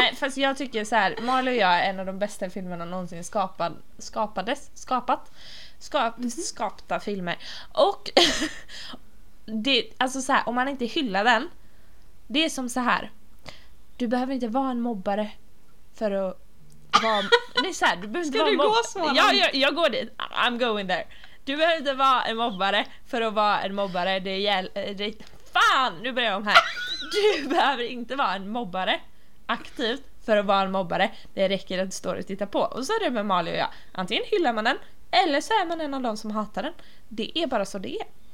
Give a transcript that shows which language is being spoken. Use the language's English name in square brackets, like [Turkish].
[Swedish] Nej, fast jag tycker så här, Marley och jag är en av de bästa filmerna någonsin skapta filmer. Och... Det, alltså så här, om man inte hyllar den, det är som så här, du behöver inte vara en mobbare för att vara nej, så här, du behöver ska inte du vara gå så jag går dit, [English] I'm going there. [Swedish] Du behöver inte vara en mobbare för att vara en mobbare. Fan, nu börjar jag om här. Du behöver inte vara en mobbare aktivt för att vara en mobbare. Det räcker att du står och tittar på. Och så är det med Mali och jag, antingen hyllar man den eller så är man en av dem som hatar den. Det är bara så det är.